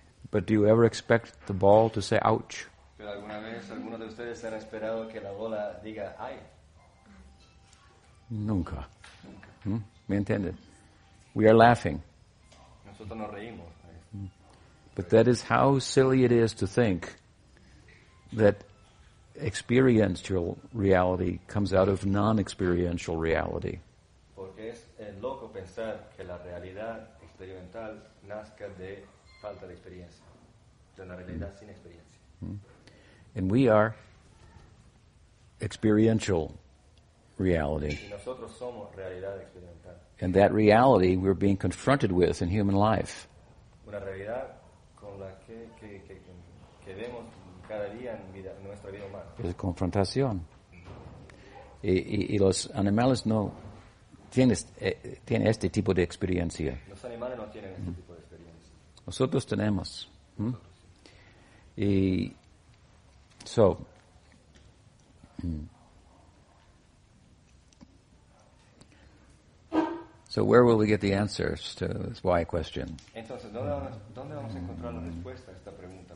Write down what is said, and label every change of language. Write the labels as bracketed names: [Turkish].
[English] But do you ever expect the ball to say ouch? [Spanish] ¿Pero alguna vez alguno de ustedes han esperado que la bola diga ay? Nunca. Nunca. ¿Me entienden? [English] We are laughing. [Spanish] Nosotros nos reímos. [English] But that is how silly it is to think that experiential reality comes out of non-experiential reality. [Spanish] Porque es loco pensar que la realidad experimental nazca de falta de experiencia, de una realidad sin experiencia. [English] And we are experiential reality. [Spanish] Y nosotros somos realidad experimental. [English] And that reality we're being confronted with in human life. [Spanish] Una realidad con la que vemos cada día en vida, nuestra vida humana. Es confrontación. Y los animales no tiene este tipo de experiencia. Los animales no tienen este tipo de experiencia. Nosotros tenemos. [English] Y so where will we get the answers to this why question? [Spanish] Entonces, ¿dónde vamos a encontrar la respuesta a esta pregunta?